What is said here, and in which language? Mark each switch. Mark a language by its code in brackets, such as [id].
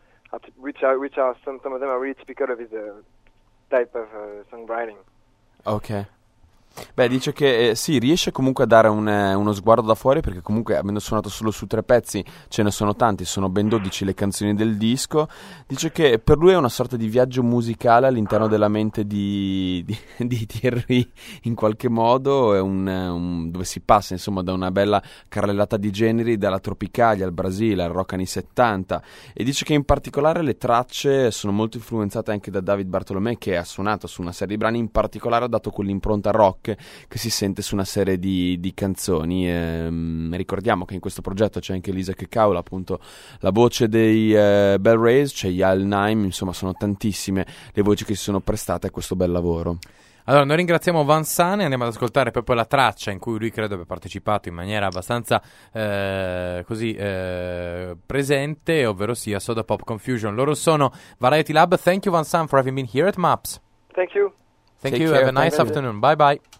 [en] And, which are some of them are really typical of his type of songwriting. Okay. [it] Beh, dice che sì, riesce comunque a dare uno sguardo da fuori, perché comunque avendo suonato solo su tre pezzi ce ne sono tanti, sono ben 12 le canzoni del disco. Dice che per lui è una sorta di viaggio musicale all'interno della mente di Thierry, in qualche modo è un dove si passa insomma da una bella carrellata di generi, dalla Tropicália al Brasile al rock anni 70, e dice che in particolare le tracce sono molto influenzate anche da David Bartolomé, che ha suonato su una serie di brani, in particolare ha dato quell'impronta rock che si sente su una serie di canzoni. Ricordiamo che in questo progetto c'è anche Lisa Kekaula, appunto la voce dei Bell Rays, c'è Yael Naim, insomma sono tantissime le voci che si sono prestate a questo bel lavoro. Allora, noi ringraziamo Van Sane e andiamo ad ascoltare proprio la traccia in cui lui credo abbia partecipato in maniera abbastanza presente, ovvero sia Soda Pop Confusion. Loro sono Variety Lab. [en] Thank you Van Sane for having been here at MAPS. Thank you. Thank you. Have a nice afternoon. Bye-bye.